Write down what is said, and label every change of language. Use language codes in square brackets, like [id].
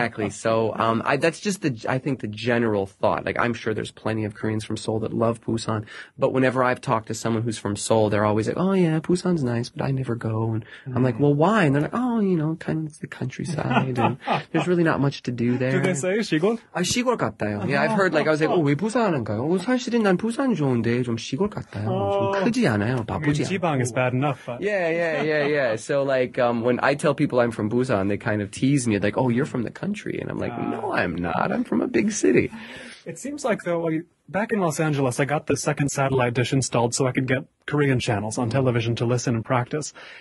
[en] So I think the general thought, like, I'm sure there's plenty of Koreans from Seoul that love Busan. But whenever I've talked to someone who's from Seoul, they're always like, "Oh, yeah, Busan's nice, but I never go." And I'm like, "Well, why?" And they're like, "Oh, you know, kind of the countryside. And there's really not much to do there." Do they say, [ko] 시골? 아, 시골 같아요. 아, 예, 아, [en] I've heard, [ko] 아, like, 아, [en] I was like, [ko] 아, 어, 왜 부산 안가요? 어, 사실은 난 부산 좋은데 좀 시골 같아요. 어, 좀 크지 않아요. 바쁘지 않아요. [en] 지방 is bad enough, but. Yeah. So, like, when I tell people I'm from Busan, they kind of tease me, like, oh, you're from the country. And I'm like, no, I'm not. I'm from a big city. It seems like, though, back in Los Angeles, I got the second satellite dish installed so I could get Korean channels on television to listen and practice.